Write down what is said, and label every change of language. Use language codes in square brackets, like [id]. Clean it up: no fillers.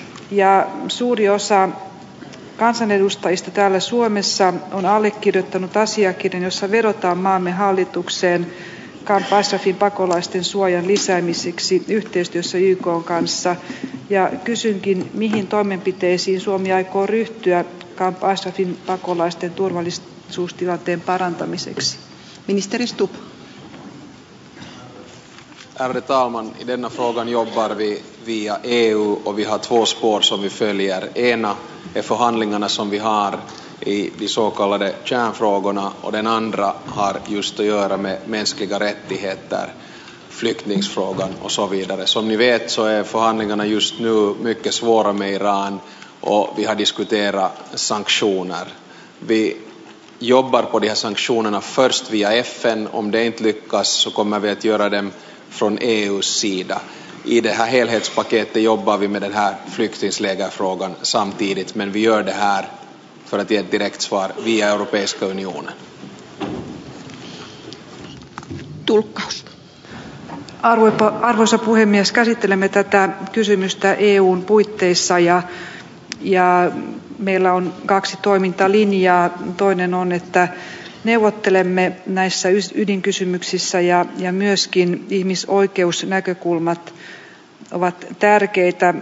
[fi] Ja suuri osa kansanedustajista täällä Suomessa on allekirjoittanut asiakirjan, jossa vedotaan maamme hallitukseen Camp Ashrafin pakolaisten suojan lisäämiseksi yhteistyössä YK:n kanssa. Ja kysynkin, mihin toimenpiteisiin Suomi aikoo ryhtyä Camp Ashrafin pakolaisten turvallisuustilanteen parantamiseksi. Ministeri Stubb. [sv] Ärade talman, i denna frågan jobbar vi via EU och vi har två spår som vi följer. Ena är förhandlingarna som vi har i de så kallade kärnfrågorna och den andra har just att göra med mänskliga rättigheter, flyktingsfrågan och så vidare. Som ni vet så är förhandlingarna just nu mycket svåra med Iran och vi har diskuterat sanktioner. Vi jobbar på de här sanktionerna först via FN. Om det inte lyckas så kommer vi att göra dem från EUs sida. I det här helhetspaketet jobbar vi med den här flyktingslägerfrågan samtidigt, men vi gör det här för att ge ett direkt svar via Europeiska unionen. [fi] Tulkkaus. Arvoisa puhemies, käsittelemme tätä kysymystä EU:n puitteissa ja meillä on kaksi toimintalinjaa. Toinen on, että neuvottelemme näissä ydinkysymyksissä ja myöskin ihmisoikeusnäkökulmat ovat tärkeitä.